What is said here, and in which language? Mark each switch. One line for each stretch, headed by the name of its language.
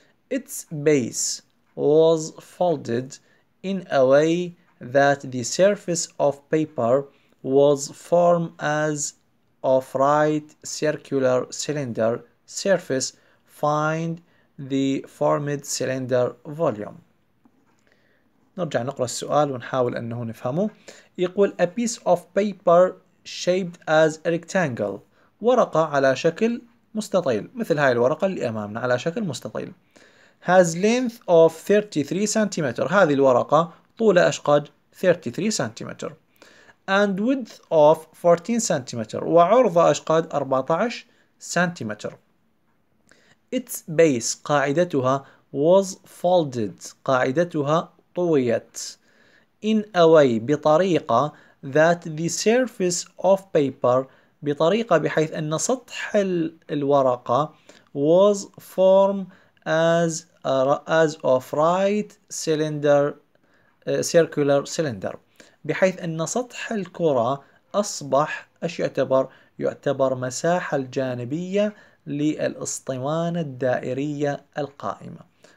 English: Its base was folded in a way that the surface of paper was formed as of right circular cylinder surface. Find the formed cylinder volume.
Arabic: نرجع نقرأ السؤال ونحاول أنه نفهمه. يقول
English: a piece of paper shaped as a rectangle.
Arabic: ورقة على شكل مستطيل مثل هاي الورقة اللي أمامنا على شكل مستطيل.
English: Has length of 33 cm.
Arabic: هذه الورقة طولها أشقد 33 سنتيمتر.
English: And width of 14 centimetre.
Arabic: وعرضها أشقد 14 سنتيمتر.
English: Its base
Arabic: قاعدتها
English: was folded.
Arabic: قاعدتها طويت.
English: In a way
Arabic: بطريقة
English: that the surface of paper
Arabic: بطريقة بحيث أن سطح الورقة
English: was formed as of right cylinder circular cylinder
Arabic: بحيث أن سطح الكرة أصبح أش يعتبر مساحة الجانبية للإسطوانة الدائرية القائمة.